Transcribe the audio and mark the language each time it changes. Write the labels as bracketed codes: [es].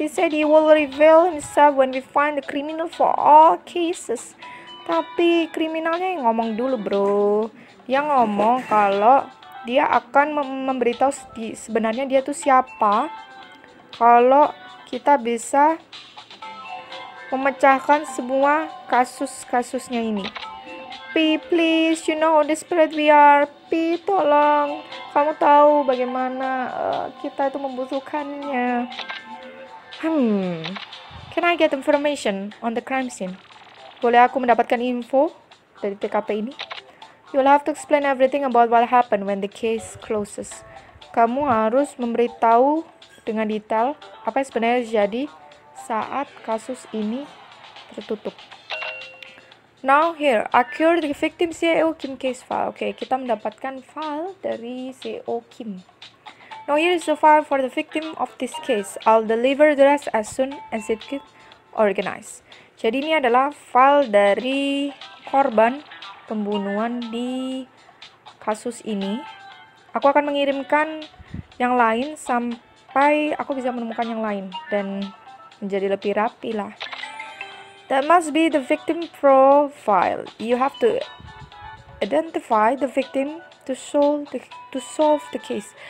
[en] He said he will reveal himself when we find the criminal for all cases. [id] Tapi kriminalnya yang ngomong dulu, bro. Dia ngomong kalau dia akan memberitahu sebenarnya dia tuh siapa kalau kita bisa memecahkan semua kasus-kasusnya ini. [en] P, please, you know how desperate we are. [id] P, tolong. Kamu tahu bagaimana kita itu membutuhkannya. [en] Can I get information on the crime scene? [id] Boleh aku mendapatkan info dari TKP ini? [en] You'll have to explain everything about what happened when the case closes. [id] Kamu harus memberitahu dengan detail apa yang sebenarnya terjadi saat kasus ini tertutup. [en] Now here, acquire the victim CEO Kim case file. [id] Okay, kita mendapatkan file dari CEO Kim. [en] Now here is the file for the victim of this case. I'll deliver the rest as soon as it gets organized. [id] Jadi ini adalah file dari korban pembunuhan di kasus ini. Aku akan mengirimkan yang lain sampai aku bisa menemukan yang lain dan menjadi lebih rapi lah. [en] That must be the victim profile. You have to identify the victim to solve the case.